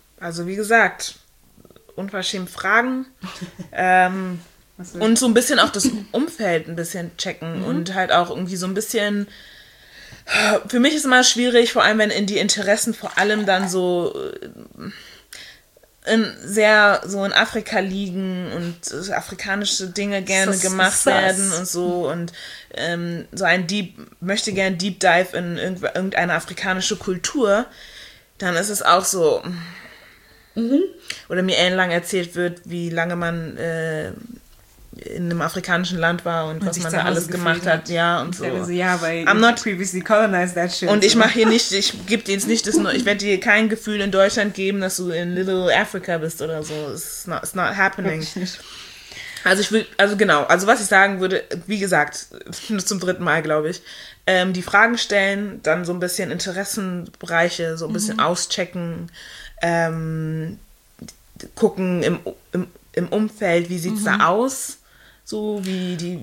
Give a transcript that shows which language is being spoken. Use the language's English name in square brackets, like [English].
[German] Also wie gesagt, unverschämt fragen und so ein bisschen auch das Umfeld ein bisschen checken und halt auch irgendwie so ein bisschen, für mich ist immer schwierig, vor allem wenn in die Interessen vor allem dann so in sehr so in Afrika liegen und afrikanische Dinge gerne gemacht werden und so und so ein Deep, möchte gerne Deep Dive in irgendeine afrikanische Kultur, dann ist es auch so... Oder mir ellenlang erzählt wird, wie lange man in einem afrikanischen Land war und was man da alles gemacht hat. Ja, und so. Ja, weil [English] I'm not previously colonized that shit. [German] Und ich mache hier nicht, ich gebe dir jetzt nicht das, ich werde dir kein Gefühl in Deutschland geben, dass du in Little Africa bist oder so. [English] It's not happening. [German] Also ich will, also genau, also was ich sagen würde, wie gesagt, zum dritten Mal, glaube ich, die Fragen stellen, dann so ein bisschen Interessenbereiche, so ein bisschen auschecken, gucken im Umfeld, wie sieht es da aus, so wie die